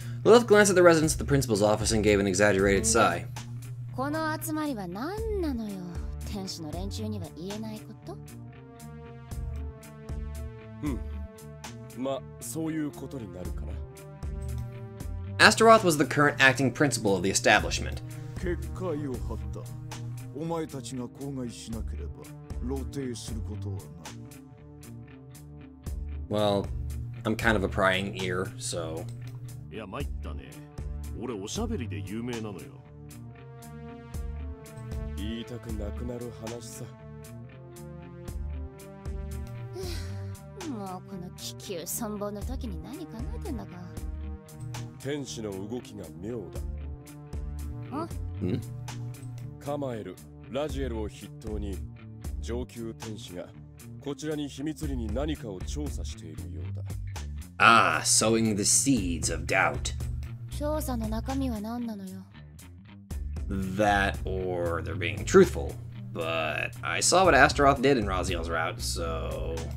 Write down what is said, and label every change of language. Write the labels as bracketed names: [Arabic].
[English] Lilith glanced at the residents of the principal's office and gave an exaggerated sigh. [Japanese] この集まりは何なのよ。天使の連中には言えないこと？まあ、そういうことになるかな。 [English] Astaroth was the current acting principal of the establishment. [Japanese] 結界を張った。お前たちが口外しなければ、 [English] Well, I'm kind of a prying ear, so... Sowing the seeds of doubt. [Japanese] 調査の中身は何なのよ? [English] That or they're being truthful. But I saw what Astaroth did in Raziel's route, so...